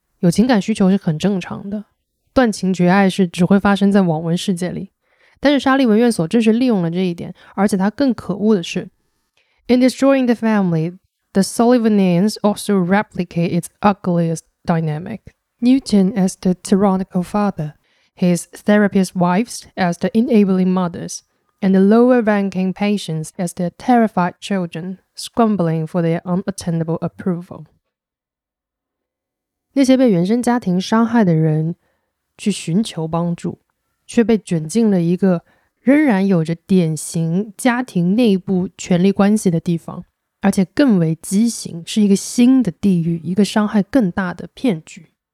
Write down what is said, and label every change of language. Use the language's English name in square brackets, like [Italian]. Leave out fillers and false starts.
[Chinese] 有情感需求是很正常的，断情绝爱是只会发生在网文世界里。但是沙利文院所正是利用了这一点，而且它更可恶的是 ， [English] In destroying the family, the Sullivanians also replicate its ugliest dynamic. Newton as the tyrannical father, his therapist wives as the enabling mothers. And the lower ranking patients as their terrified children, scrambling for their unattainable approval. [Chinese] 那些被原生家庭伤害的人去寻求帮助，却被卷进了一个仍然有着典型家庭内部权力关系的地方，而且更为畸形，是一个新的地狱，一个伤害更大的骗局。